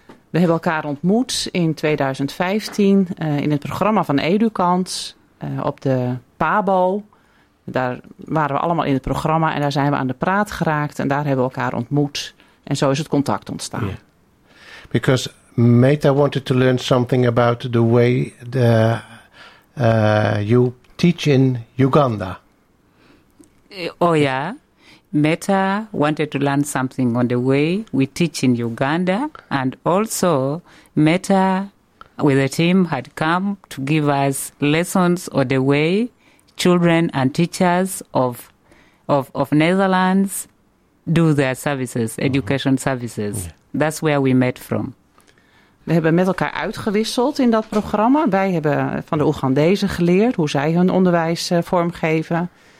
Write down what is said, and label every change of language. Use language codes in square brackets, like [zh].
[nl] We hebben elkaar ontmoet in 2015 in het programma van Educants op de PABO. Daar waren we allemaal in het programma en daar zijn we aan de praat geraakt en daar hebben we elkaar ontmoet. En zo is het contact ontstaan. [en] Yeah. Because Meta wanted to learn something about the way the you teach in Uganda. Oh yeah, Meta wanted to learn something on the way we teach in Uganda. And also Meta with the team had come to give us lessons on the way children and teachers of Netherlands do their services, education services. Yeah. That's where we met from. [nl] We hebben met elkaar uitgewisseld in dat programma. Wij hebben van de Oegandezen geleerd hoe zij hun onderwijs vormgeven.